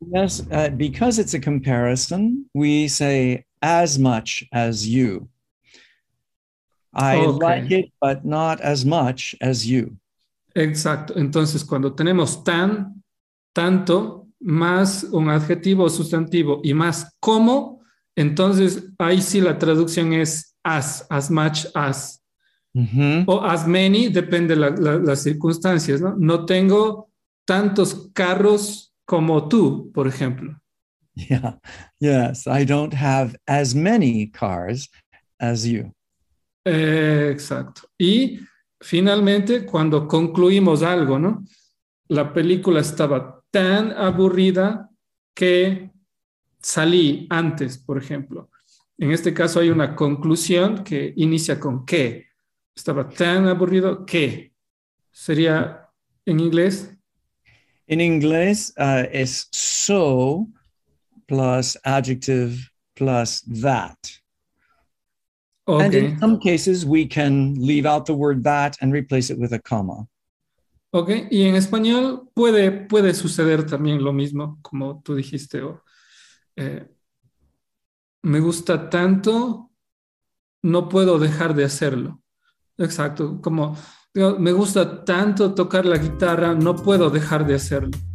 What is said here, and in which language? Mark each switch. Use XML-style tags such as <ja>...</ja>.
<en>Yes, because it's a comparison, we say as much as you. Like it, but not as much as you.</en> <es>Exacto. Entonces, cuando tenemos tan, tanto, más un adjetivo o sustantivo y más como, entonces ahí sí la traducción es</es> <en>as much as. Uh-huh.</en> <es>O</es> <en>as many,</en> <es>depende las circunstancias, ¿no? No tengo tantos carros como tú, por ejemplo.</es> <en>Yeah, yes, I don't have as many cars as you.</en> <es>Exacto. Y finalmente, cuando concluimos algo, ¿no? La película estaba tan aburrida que salí antes, por ejemplo. En este caso hay una conclusión que inicia con que. Estaba tan aburrido que sería en inglés. En inglés es</es> <en>so plus adjective plus that. Okay. And in some cases we can leave out the word that and replace it with a comma. Okay.</en> <es>Y en español puede suceder también lo mismo como tú dijiste. Me gusta tanto, no puedo dejar de hacerlo. Exacto, como me gusta tanto tocar la guitarra, no puedo dejar de hacerlo.</es>